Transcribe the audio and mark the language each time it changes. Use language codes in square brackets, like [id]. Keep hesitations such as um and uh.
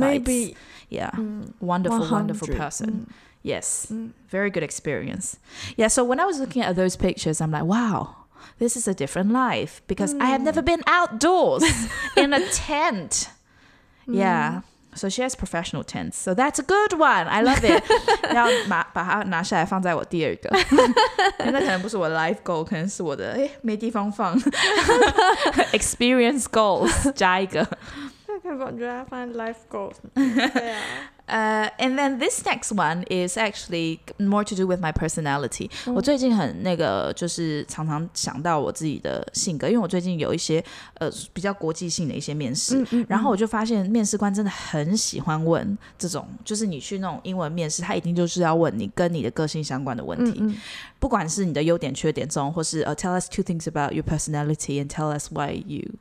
[en] Maybe, yeah, mm, wonderful, wonderful person. Mm. Yes, mm. very good experience. Yeah. So when I was looking at those pictures, I'm like, wow, this is a different life because I have never been outdoors in a tent. Yeah. So she has professional tense. So that's a good one. I love it. [zh] 要拿把它拿下来放在我第二个，那可能不是我的 life goal，可能是我的哎、欸、没地方放 [en] experience goals 加一个。 [zh] 那可以把它放在 okay, life goals。对 [en] 啊。Yeah. 呃，and then this next one is actually more to do with my personality。 [zh] 我最近很那个，就是常常想到我自己的性格，因为我最近有一些呃比较国际性的一些面试，然后我就发现面试官真的很喜欢问这种，就是你去那种英文面试，他一定就是要问你跟你的个性相关的问题，不管是你的优点、缺点，这种或是呃， [en] tell us two things about your personality and tell us why you。